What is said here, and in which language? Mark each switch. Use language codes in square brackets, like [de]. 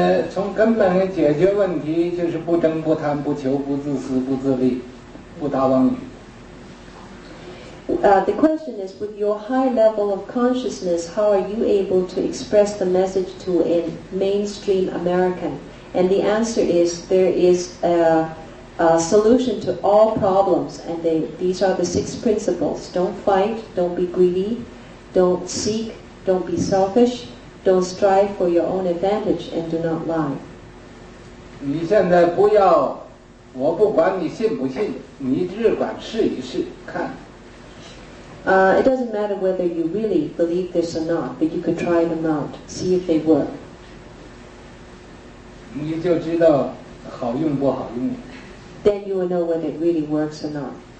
[zh] 从根本的解决问题就是不争不贪不求不自私不自利不达妄语。 [en] The question is, with your high level of consciousness, how are you able to express the message to a mainstream American? And the answer is, there is a solution to all problems, and these are the six principles. Don't fight, don't be greedy, don't seek, don't be selfish, don't strive for your own advantage, and do not lie. [zh] 你现在不要，我不管你信不信，你只管试一试，看。 [en] It doesn't matter whether you really believe this or not, but you could try them out, see if they work. [zh] 你就知道好用不好用。 [en] Then you will know whether it really works or not.